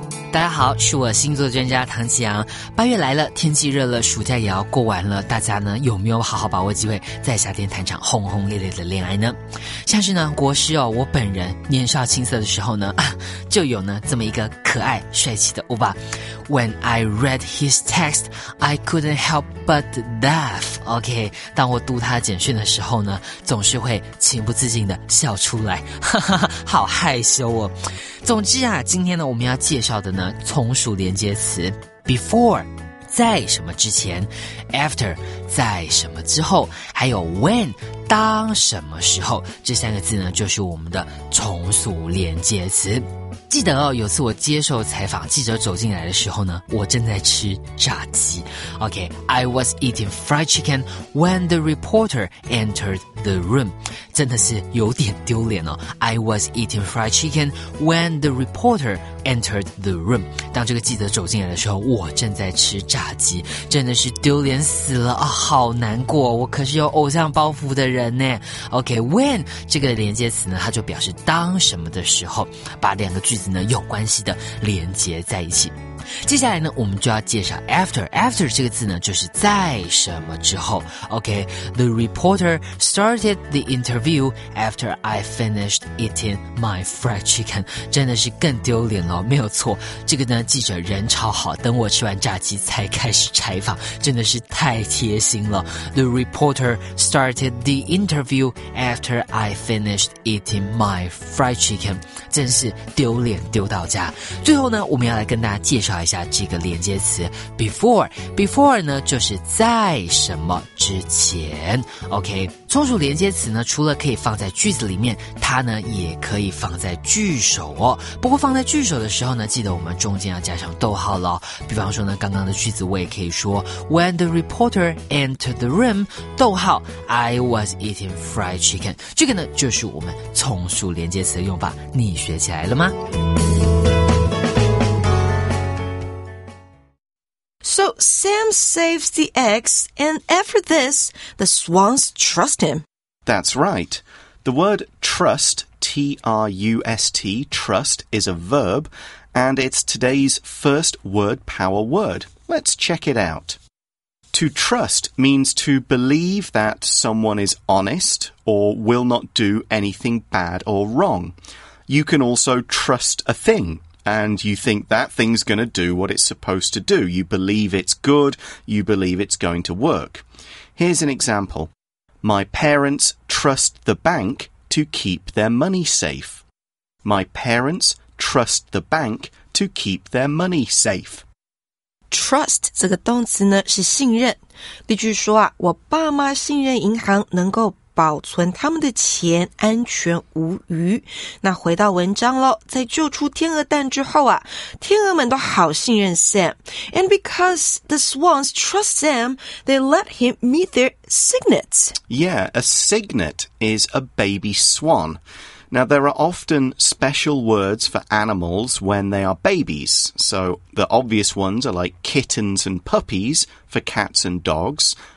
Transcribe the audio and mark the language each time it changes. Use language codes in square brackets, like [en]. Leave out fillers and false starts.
[zh] 大家好，是我星座专家唐奇阳。八月来了，天气热了，暑假也要过完了，大家呢有没有好好把握机会在夏天谈场轰轰烈烈的恋爱呢？像是呢国师哦，我本人年少青涩的时候呢，就有呢这么一个可爱帅气的欧巴。 [en] When I read his text, I couldn't help but laugh. [zh] OK, 当我读他的简讯的时候呢，总是会情不自禁的笑出来，好害羞哦。总之啊，今天呢我们要介绍的呢从属连接词 before 在什么之前 after 在什么之后，还有 when 当什么时候，这三个字呢就是我们的从属连接词。记得哦，有次我接受采访，记者走进来的时候呢，我正在吃炸鸡。 [en] OK, I was eating fried chicken when the reporter entered the room. [zh] 真的是有点丢脸哦。 [en] I was eating fried chicken when the reporter entered the room. [zh] 当这个记者走进来的时候，我正在吃炸鸡，真的是丢脸死了、哦、好难过，我可是有偶像包袱的人呢。 OK, when 这个连接词呢，它就表示当什么的时候，把两个句子呢有关系的连接在一起。接下来呢我们就要介绍 after。after 这个字呢就是在什么之后。 [en] OK, the reporter started the interview after I finished eating my fried chicken. [zh] 真的是更丢脸了，没有错，这个呢记者人超好，等我吃完炸鸡才开始采访，真的是太贴心了。 [en] The reporter started the interview after I finished eating my fried chicken. [zh] 真是丢脸丢到家。最后呢我们要来跟大家介绍一下这个连接词 before。 before 呢就是在什么之前。 OK, 从属连接词呢除了可以放在句子里面，它呢也可以放在句首哦。不过放在句首的时候呢，记得我们中间要加上逗号了、哦、比方说呢刚刚的句子我也可以说 [en] When the reporter entered the room, [zh] 逗号 [en] I was eating fried chicken。 [zh] 这个呢就是我们从属连接词的用法，你学起来了吗？ [en] So Sam saves the eggs, and after this, the swans trust him. That's right. The word trust, T-R-U-S-T, trust, is a verb, and it's today's first word power word. Let's check it out. To trust means to believe that someone is honest or will not do anything bad or wrong. You can also trust a thing. And you think that thing's going to do what it's supposed to do. You believe it's good. You believe it's going to work. Here's an example. My parents trust the bank to keep their money safe. My parents trust the bank to keep their money safe. [zh] Trust 这个动词呢是信任。例如说啊，我爸妈信任银行能够保存他们的钱安全无虞。那回到文章咯，在救出天鹅蛋之后啊，天鹅们都好信任 Sam. [en] And because the swans trust Sam, they let him meet their cygnets. Yeah, a cygnet is a baby swan. Now, there are often special words for animals when they are babies. So the obvious ones are like kittens and puppies for cats and dogs.